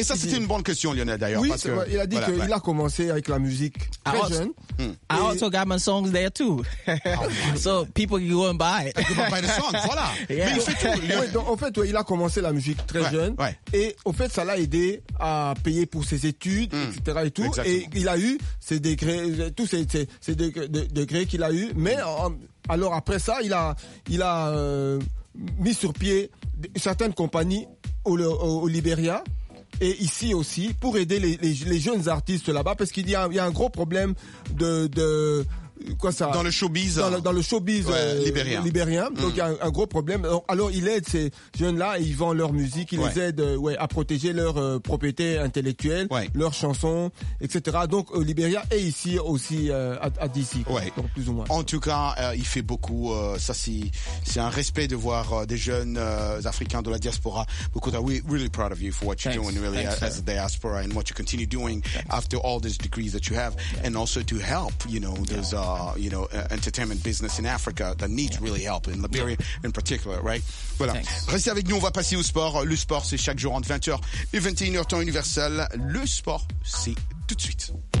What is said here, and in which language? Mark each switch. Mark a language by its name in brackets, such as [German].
[French] Et ça, c'était une bonne question, Lionel, d'ailleurs. Oui, parce que, il a dit qu'il a commencé avec la musique très jeune. [English] I also got my songs there, too. Oh, so, people can go and buy it. You can buy the songs, voilà. Yeah. [French] Mais il fait tout. Oui, donc, en fait, ouais, il a commencé la musique très jeune. Ouais. Et en fait, ça l'a aidé à payer pour ses études, etc. Et, tout. Et il a eu ses degrés, tous ses degrés qu'il a eu. Mais alors, après ça, il a mis sur pied certaines compagnies au Liberia et ici aussi pour aider les jeunes artistes là-bas, parce qu'il y a un gros problème de quoi ça, dans le showbiz libérien. Donc il y a un gros problème. Alors il aide ces jeunes là et ils vendent leur musique, ils les aident à protéger leur propriété intellectuelle, leurs chansons, etc. Donc au Liberia et ici aussi à DC, donc plus ou moins. En tout cas, il fait beaucoup. Ça, c'est un respect de voir des jeunes africains de la diaspora. Beaucoup de [English] we really proud of you for what you're doing, really. Thanks, as a diaspora, and what you continue doing after all these degrees that you have, and also to help, you know, those entertainment business in Africa that needs really help, in Liberia in particular, right? [French] Voilà. [English] Thanks. [French] Restez avec nous, on va passer au sport. Le sport, c'est chaque jour entre 20h et 21h temps universel. Le sport, c'est tout de suite.